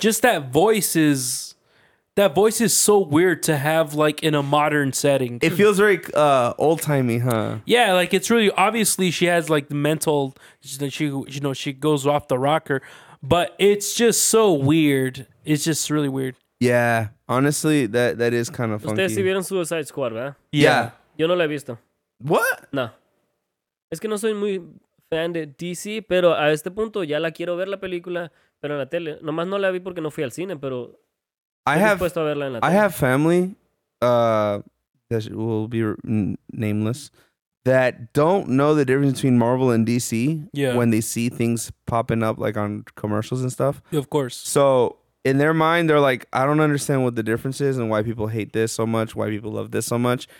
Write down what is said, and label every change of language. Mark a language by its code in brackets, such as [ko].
[en] Just that voice is so weird to have like in a modern setting. It feels very old timey, huh? Yeah, like it's really obviously she has like the mental that she you know she goes off the rocker, but it's just so weird. It's just really weird. Yeah, honestly, that is kind of funky. [es] Ustedes sí vieron Suicide Squad, ¿verdad? [en] Yeah. [es] Yo no la he visto. [en] What? No. [es] Es que no soy muy fan de DC, pero a este punto ya la quiero ver la película, pero en la tele. Nomás no la vi porque no fui al cine, pero. [en] I have family that will be nameless that don't know the difference between Marvel and DC when they see things popping up like on commercials and stuff. Of course. So in their mind, they're like, I don't understand what the difference is and why people hate this so much, why people love this so much.